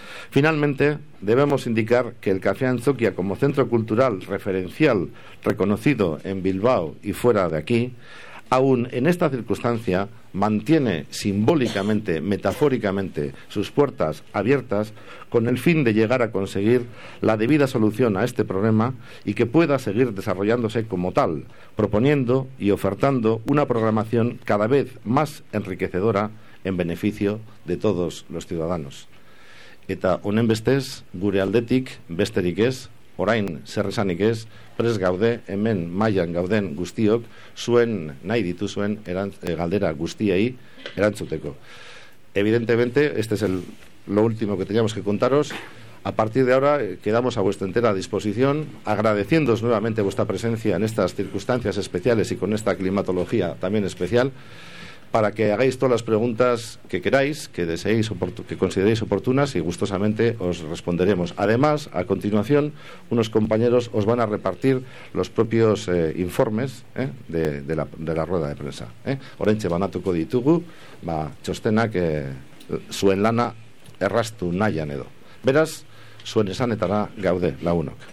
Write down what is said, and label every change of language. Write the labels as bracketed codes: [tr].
[es] Finalmente, debemos indicar que el Café Antzokia, como centro cultural referencial reconocido en Bilbao y fuera de aquí, aún en esta circunstancia mantiene simbólicamente, metafóricamente, sus puertas abiertas con el fin de llegar a conseguir la debida solución a este problema y que pueda seguir desarrollándose como tal, proponiendo y ofertando una programación cada vez más enriquecedora en beneficio de todos los ciudadanos. [eu] Eta honen bestez, gure aldetik, besterik ez, orain zer esanik ez, prest gaude hemen mailan gauden guztiok zuen nahi dituzuen galdera guztiei erantzuteko. [es] Evidentemente, este es lo último que teníamos que contaros. A partir de ahora quedamos a vuestra entera disposición, agradeciéndoos nuevamente vuestra presencia en estas circunstancias especiales y con esta climatología también especial, para que hagáis todas las preguntas que queráis, que deseéis, que consideréis oportunas, y gustosamente os responderemos. Además, a continuación, unos compañeros os van a repartir los propios informes de la rueda de prensa. [eu] Orentxe banatuko ditugu, txostenak zuen lana erraztu nahian edo. Beraz, zuen esanetara gaude, lagunok.